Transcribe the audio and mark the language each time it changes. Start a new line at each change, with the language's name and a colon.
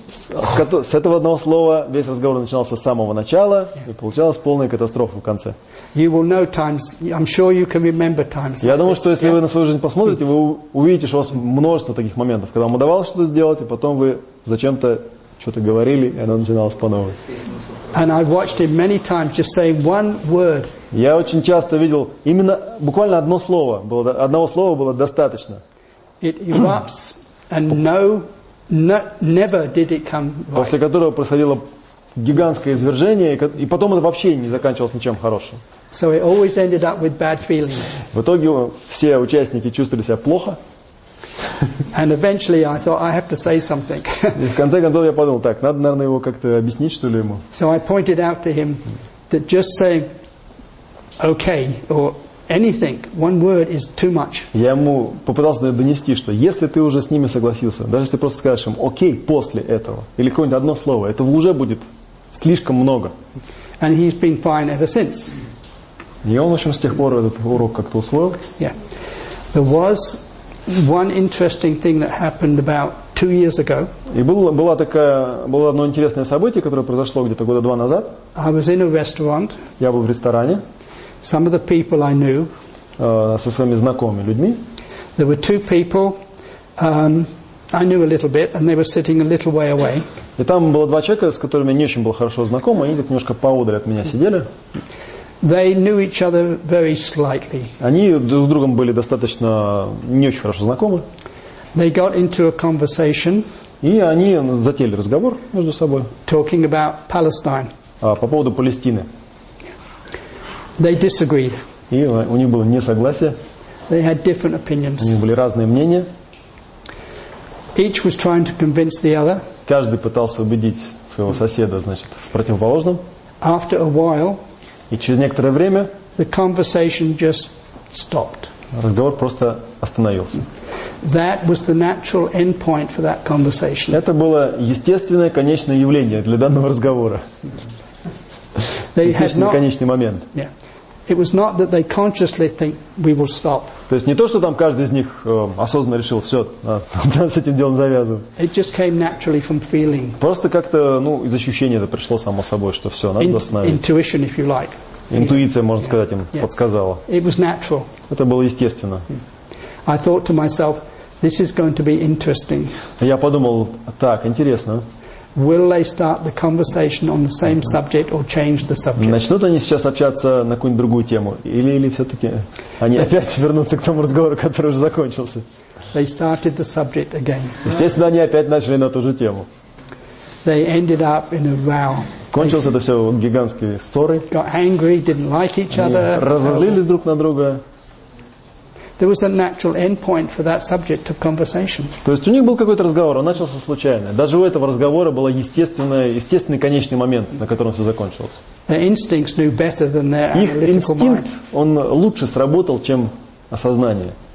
Russian: С этого одного слова весь разговор начинался с самого начала, yeah. И получалась полная катастрофа в конце.
English: You will know times. I'm sure you can remember times.
Russian: Я думаю, что если вы на свою жизнь посмотрите, вы увидите, что у вас множество таких моментов, когда вам удавалось что-то сделать, и потом вы зачем-то что-то говорили, и оно начиналось по новой.
English: And I've watched him many times just say one word.
Russian: Я очень часто видел именно буквально одно слово. Одного слова было достаточно.
English: It erupts and never did it come right.
Russian: После которого происходило гигантское извержение, и потом это вообще не заканчивалось ничем хорошим.
English: So it always ended up with bad feelings.
Russian: В итоге все участники чувствовали себя плохо.
English: And eventually I thought I have to say something.
Russian: И в конце концов я подумал, так, надо, наверное, его как-то объяснить, что ли, ему.
English: So I pointed out to him that just saying okay or anything, one word is too much.
Russian: Я ему попытался донести, что если ты уже с ними согласился, даже если ты просто скажешь им окей после этого, или какое-нибудь одно слово, это уже будет слишком много.
English: And he's been fine ever since.
Russian: И он, в общем, с тех пор этот урок как-то усвоил.
English: Yeah. There was one interesting thing that happened about 2 years ago.
Russian: И было одно интересное событие, которое произошло где-то года два назад.
English: I was in a restaurant.
Russian: Я был в ресторане.
English: Some of the people I knew.
Russian: Со своими знакомыми людьми.
English: There were two people. I knew a little bit, and they were sitting a little way away.
Russian: И там было два человека, с которыми я не очень был хорошо знаком, они где-то немножко поодаль от меня сидели.
English: They knew each other very slightly.
Russian: Они друг с другом были достаточно не очень хорошо знакомы.
English: They got into a conversation.
Russian: И они затеяли разговор между собой.
English: Talking about Palestine.
Russian: По поводу Палестины.
English: They disagreed.
Russian: И у них было несогласие.
English: They had different opinions.
Russian: У них были разные мнения.
English: Each was trying to convince the other.
Russian: Каждый пытался убедить своего соседа, значит, в противоположном.
English: After a while.
Russian: И через некоторое время
English: the conversation just stopped.
Russian: Разговор просто остановился.
English: That was the natural end point for that conversation.
Russian: Это было естественное конечное явление для данного разговора. Естественный конечный момент.
English: It was not that they consciously think we will stop.
Russian: То есть не то, что там каждый из них осознанно решил, все, надо с этим делом завязывать.
English: It just came naturally from feeling.
Russian: Просто как-то, ну, из ощущения это пришло само собой, что все, надо остановиться.
English: Intuition, if you like.
Russian: Интуиция, можно сказать, им подсказала.
English: It was natural.
Russian: Это было естественно.
English: I thought to myself, this is going to be interesting.
Russian: Я подумал, так, интересно.
English: Will they start the conversation on the same subject or change the subject?
Russian: Начнут они сейчас общаться на какую-нибудь другую тему, или все-таки они опять вернутся к тому разговору, который уже закончился?
English: They started the subject again.
Russian: Естественно, они опять начали на ту же тему.
English: They ended up in a row.
Russian: Кончилось это все гигантские ссоры.
English: Got angry, didn't like each other.
Russian: Разозлились друг на друга.
English: There was a natural end point for that subject of conversation.
Russian: То есть у них был какой-то разговор, он начался случайно. Даже у этого разговора был естественный конечный момент, на котором все закончилось.
English: Their instincts knew better than their analytical mind.
Russian: Их инстинкт, он лучше сработал, чем осознание.